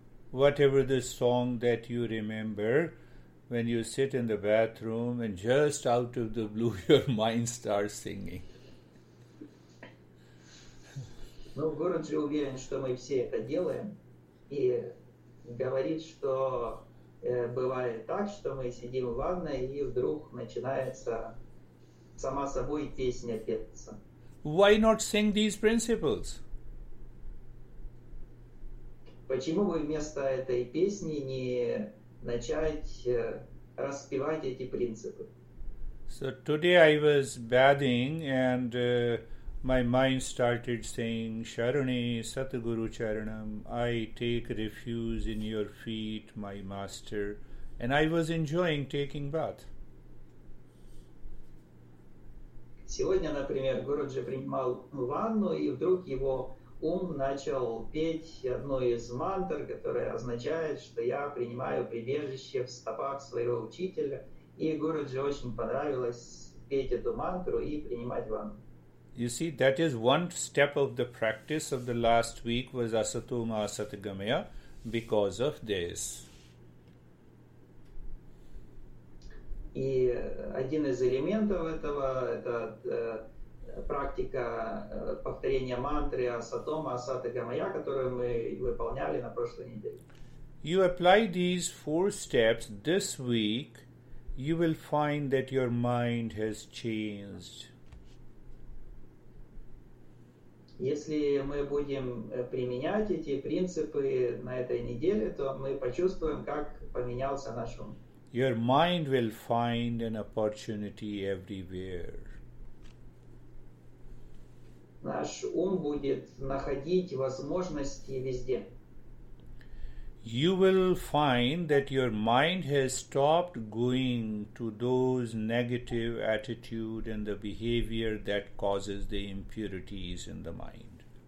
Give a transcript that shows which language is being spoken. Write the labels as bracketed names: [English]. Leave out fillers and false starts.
[English] Whatever the song that you remember, when you sit in the bathroom and just out of the blue, your mind starts singing. [Russian] Ну, Гуруджи уверен, что мы все это делаем, и говорит, что бывает так, что мы сидим в ванной, и вдруг начинается сама собой песня петься. [English] Why not sing these principles? [Russian] Почему бы вместо этой песни не начать... [English] So today I was bathing and my mind started saying, [Sanskrit] Sharane Satguru Charanam, [English] I take refuge in your feet, my master. And I was enjoying taking bath. [Russian] Сегодня, например, Гуруджи принимал ванну, и вдруг его ум начал петь одну из мантр, которая означает, что я принимаю прибежище в стопах своего учителя. И Гуруджи очень понравилось [English] You see, that is one step of the practice of the last week was Asatoma Asatagamaya because of this. [Russian] И один из элементов этого это практика повторения мантры Асатома Асатагамая, которую мы выполняли на прошлой неделе. [English] You apply these four steps this week, you will find that your mind has changed. [Russian] Если мы будем применять эти принципы на этой неделе, то мы почувствуем, как поменялся наш ум. [English] Your mind will find an opportunity everywhere. [Russian] Наш ум будет находить возможности везде. [English] You will find that your mind has stopped going to those negative attitude and the behavior that causes the impurities in the mind.